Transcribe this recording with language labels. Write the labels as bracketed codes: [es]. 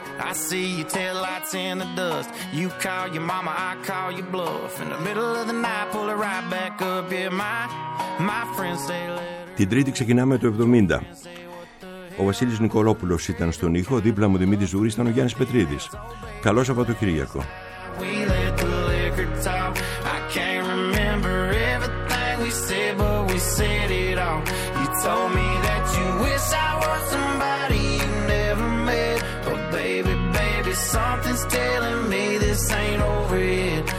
[en] I see your taillights in the dust. You call your mama, I call your bluff. In the middle of the night, pull it right back up. Yeah, my friends say let it... [el] Την Τρίτη ξεκινάμε το 70. Ο Βασίλης Νικολόπουλος ήταν στον ήχο. Δίπλα μου Δημήτρης Δούρης ήταν ο Γιάννης Πετρίδης. Καλό Σαββατοκύριακο. [en] We let the liquor talk. I can't remember everything we said, but we said it all. You told me that you wish I was somebody you never met. But baby, baby, something's telling me this ain't over yet.